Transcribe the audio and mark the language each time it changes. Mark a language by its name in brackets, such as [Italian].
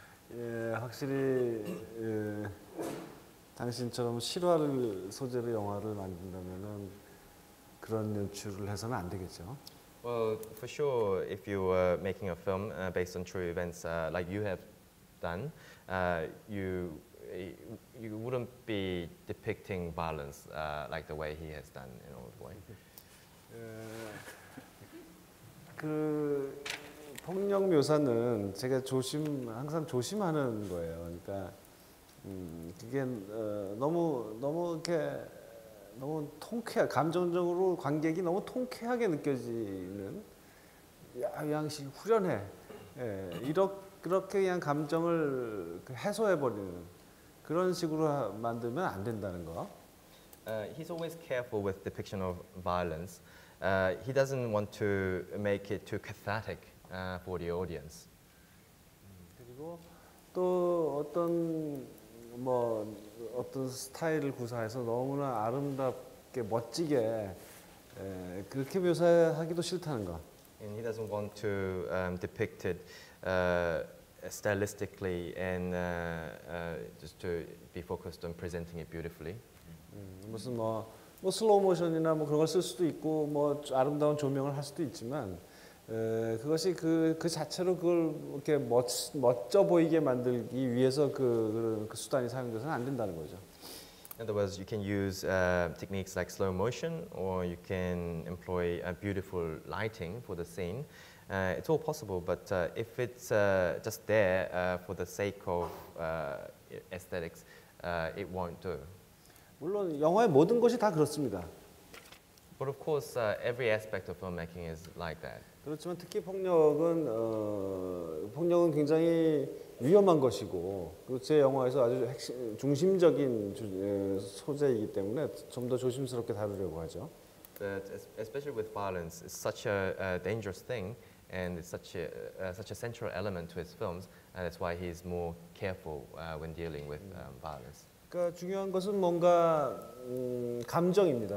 [Korean] 예, 확실히 예, 당신처럼 실화를 소재로 영화를 만든다면은 그런 연출을 해서는 안 되겠죠. [English] Well, for sure, if you were making a film based on true events like you have done, you wouldn't be depicting violence like the way he has done in Old Boy. [Korean] 그 폭력 묘사는 제가 조심 항상 조심하는 거예요. 그러니까 그게 너무 이렇게 너무 통쾌하게 감정적으로 관객이 너무 통쾌하게 느껴지는 양식 후련해. 예, 그렇게 그냥 감정을 해소해 버리는 그런 식으로 만들면 안 된다는 거. [English] He's always careful with depiction of violence. He doesn't want to make it too cathartic for the audience. [Korean] 그리고 또 어떤 뭐 어떤 스타일을 구사해서 너무나 아름답게 멋지게 그렇게 묘사하기도 싫다는 거. [English] And he doesn't want to depict it stylistically and just to be focused on presenting it beautifully. [Korean] 무슨 뭐 슬로우 모션이나 뭐 그런 걸 쓸 수도 있고 뭐 아름다운 조명을 할 수도 있지만 그것이 그 자체로 그걸 이렇게 멋져 보이게 만들기 위해서 그 수단이 사용돼서는 안 된다는 거죠. [English] In other words, you can use techniques like slow motion, or you can employ a beautiful lighting for the scene. It's all possible, but if it's just there for the sake of aesthetics, it won't do. [Korean] 물론 영화의 모든 것이 다 그렇습니다. [English] But of course, every aspect of filmmaking is like that. [Korean] 그렇지만 특히 폭력은 폭력은 굉장히 위험한 것이고 제 영화에서 아주 중심적인 소재이기 때문에 좀 더 조심스럽게 다루려고 하죠. [English] But especially with violence, it's such a dangerous thing, and it's such a central element to his films, and that's why he's more careful when dealing with violence. [Korean] 그러니까 중요한 것은 뭔가 감정입니다.